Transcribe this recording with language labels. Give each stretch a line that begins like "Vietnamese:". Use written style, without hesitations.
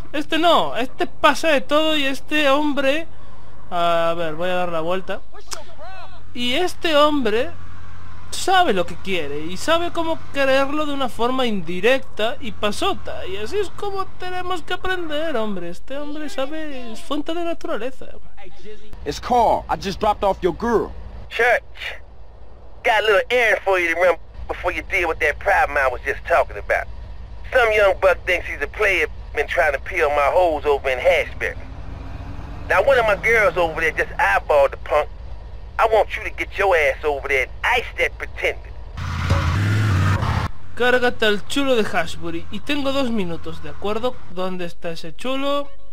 Spanish: Este no, este pasa de todo y este hombre... a ver, voy a dar la vuelta. Y este hombre sabe lo que quiere y sabe cómo quererlo de una forma indirecta y pasota. Y así es como tenemos que aprender, hombre. Este hombre sabe, es fuente de naturaleza.
English: It's Carl, I just dropped off your girl. Church, got a little errand for you to remember before you deal with that problem I was just talking about. Some young buck thinks he's a player been trying to peel my holes over in Hashberry. Now one of my girls over there just eyeballed the punk. I want you to get your ass over there and ice that pretender.
Spanish: Cárgate al chulo de Hashbury. Y tengo 2 minutos, ¿de acuerdo? ¿Dónde está ese chulo?